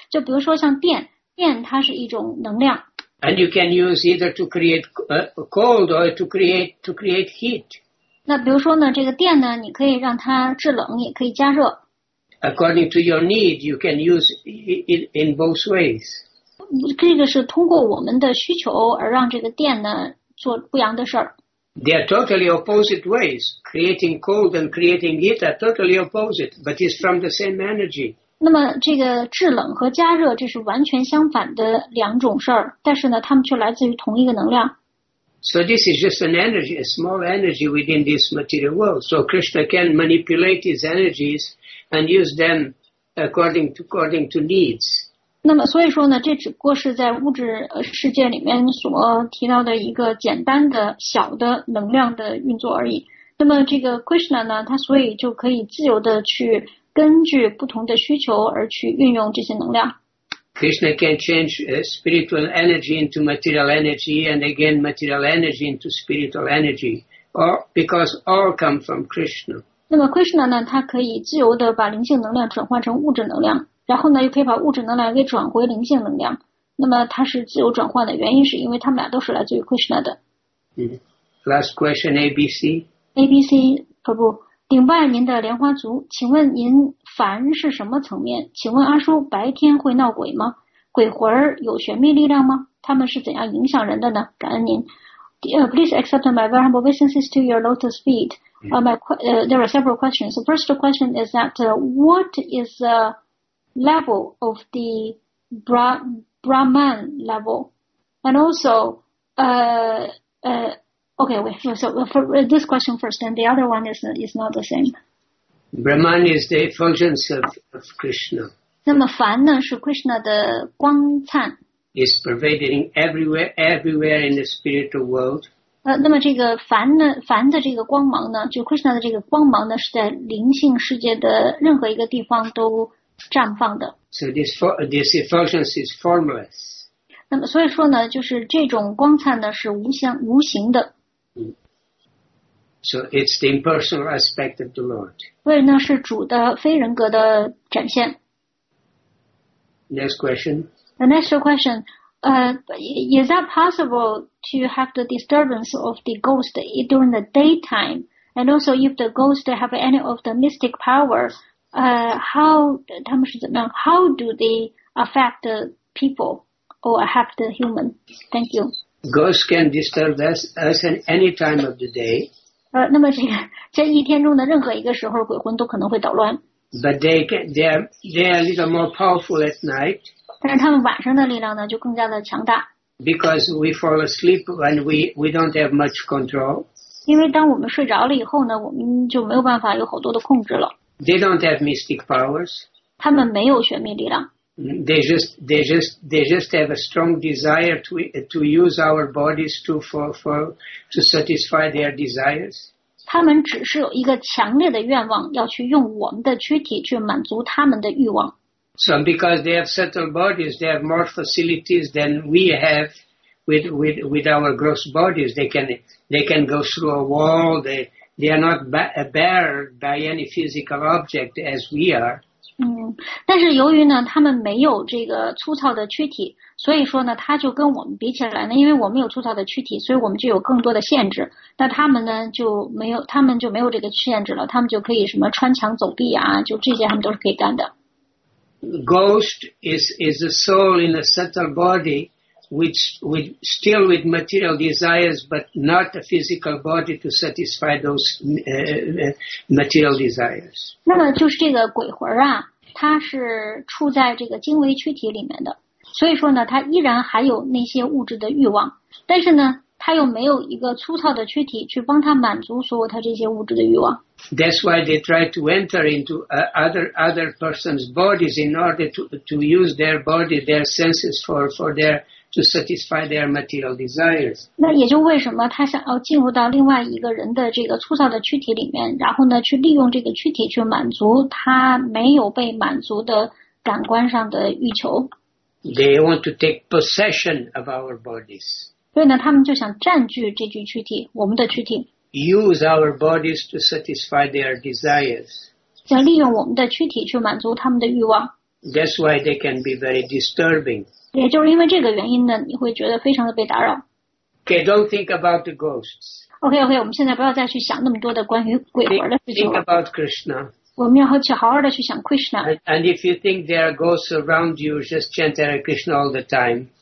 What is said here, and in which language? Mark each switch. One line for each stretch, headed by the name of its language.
Chinese: 就比如说像电，电它是一种能量。
English: And you can use either to create cold or to create heat.
Chinese: 那比如说呢，这个电呢，你可以让它制冷，也可以加热。
English: According to your need, you can use it in both ways.
Chinese: 这个是通过我们的需求而让这个电呢。做不一样的事儿。
English: They are totally opposite ways. Creating cold and creating heat are totally opposite, but it's from the same energy.
Chinese: 那么这个制冷和加热，这是完全相反的两种事儿，但是呢，它们却来自于同一个能量。
English: So this is just an energy, a small energy within this material world. So Krishna can manipulate his energies and use them according to needs.
Chinese: 那么所以说呢，这只不过是在物质世界里面所提到的一个简单的小的能量的运作而已。那么这个 Krishna 呢，他所以就可以自由的去根据不同的需求而去运用这些能量。
English: Krishna can change spiritual energy into material energy and again material energy into spiritual energy, or because all come from Krishna.
Chinese: 那么 Krishna 呢，他可以自由的把灵性能量转换成物质能量。然后呢又可以把物质能量给转回灵性能量，那么它是自由转换的原因是因为它们俩都是来自于 Krishna 的。
English: Last question, ABC.
Chinese: ABC, Prabhu, 顶拜您的莲花足，请问您凡是什么层面？请问阿叔，白天会闹鬼吗？鬼魂有玄秘力量吗？他们是怎样影响人的呢？感恩您。
English: Please accept my very humble obeisances to your lotus feet. There are several questions. The first question is that what is the level of the Brahman level, and also okay, wait, so for this question first, and the other one is not the same. Brahman is the effulgence of Krishna.
Chinese: 那么梵呢是 Krishna 的光灿。
English: Is pervading everywhere in the spiritual world.
Chinese: 那么这个梵的这个光芒呢，就 Krishna 的这个光芒呢，是在灵性世界的任何一个地方都。绽放的。
English: So this effulgence is formless.
Chinese: 那么所以说呢，就是这种光灿呢是无形的。
English: So it's the impersonal aspect of the Lord.
Chinese: 所以呢是主的非人格的展现。
English: Next question. The next question. Is that possible to have the disturbance of the ghost during the daytime? And also, if the ghost have any of the mystic power? How do they affect the people or affect the human? Thank you. Ghosts can disturb us at any time of the day.
Chinese: 那么这一天中的任何一个时候，鬼魂都可能会捣乱。
English: But they are a little more powerful at night.
Chinese: 但是他们晚上的力量呢，就更加的强大。
English: Because we fall asleep and we don't have much control.
Chinese: 因为当我们睡着了以后呢，我们就没有办法有好多的控制了。
English: They don't have mystic powers.
Chinese: 他们没有玄秘力量。
English: They just have a strong desire to use our bodies to satisfy their desires.
Chinese: 他们只是有一个强烈的愿望，要去用我们的躯体去满足他们的欲望。
English: So because they have subtle bodies, they have more facilities than we have with our gross bodies. They can go through a wall. They are not bare by any physical object as we are.
Chinese: 但是由于呢，他们没有这个粗糙的躯体，所以说呢，他就跟我们比起来呢，因为我们有粗糙的躯体，所以我们就有更多的限制。但他们呢就没有，他们就没有这个限制了，他们就可以什么穿墙走壁啊，就这些他们都是可以干的。
English: Ghost is a soul in a subtle body, which still with material desires, but not a physical body to satisfy those material desires.
Chinese: 那么就是这个鬼魂啊，它是处在这个精微躯体里面的，所以说呢，它依然还有那些物质的欲望，但是呢，它又没有一个粗糙的躯体去帮它满足所有它这些物质的欲望。
English: That's why they try to enter into other person's bodies in order to use their body, their senses for their to satisfy their material desires.
Chinese: 那也就为什么他想要进入到另外一个人的这个粗糙的躯体里面，然后呢，去利用这个躯体去满足他没有被满足的感官上的欲求。
English: They want to take possession of our bodies.
Chinese: 所以呢，他们就想占据这具躯体，我们的躯体。
English: Use our bodies to satisfy their desires.
Chinese: 想利用我们的躯体去满足他们的欲望。
English: That's why they can be very disturbing.
Chinese: 也就是因为这个原因呢，你会觉得非常的被打扰。
English: Okay, don't think about the ghosts.
Chinese: Okay, 我们现在不要再去想那么多的关于鬼魂的事情。
English: Think about Krishna.
Chinese: 我们要去好好的去想 Krishna.
English: And if you think there are ghosts around you, just chant Hare Krishna all the time.